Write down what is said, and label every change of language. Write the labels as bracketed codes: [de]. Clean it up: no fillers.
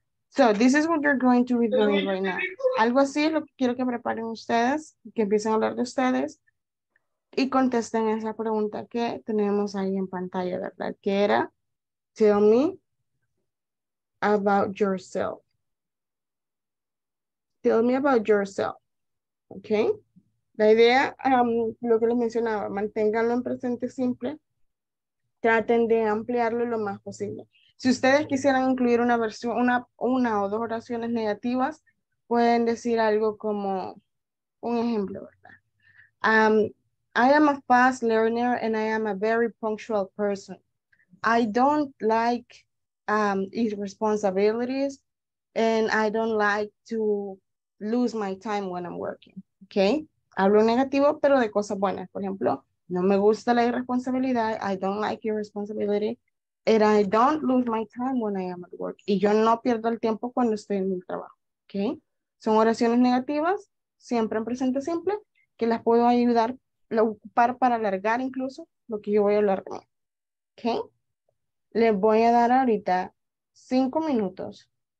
[en] So, this is what you're going to be doing right now. [es] Algo así es lo que quiero que preparen ustedes, que empiecen a hablar de ustedes y contesten esa pregunta que tenemos ahí en pantalla, ¿verdad? Que era, [en] tell me about yourself. Tell me about yourself. [es] ¿Ok? La idea, lo que les mencionaba, manténganlo en presente simple. Traten de ampliarlo lo más posible. Si ustedes quisieran incluir una versión, una o dos oraciones negativas, pueden decir algo como un ejemplo, ¿verdad? [en] I am a fast learner and I am a very punctual person. I don't like irresponsibilities and I don't like to lose my time when I'm working. [es] Okay? Hablo negativo, pero de cosas buenas. Por ejemplo, no me gusta la irresponsabilidad. [en] I don't like irresponsibility. And I don't lose my time when I am at work. [es] Y yo no pierdo el tiempo cuando estoy en mi trabajo. Okay? Son oraciones negativas, siempre en presente simple, que las puedo ayudar a ocupar para alargar incluso lo que yo voy a hablar. Okay? Les voy a dar ahorita 5 minutos.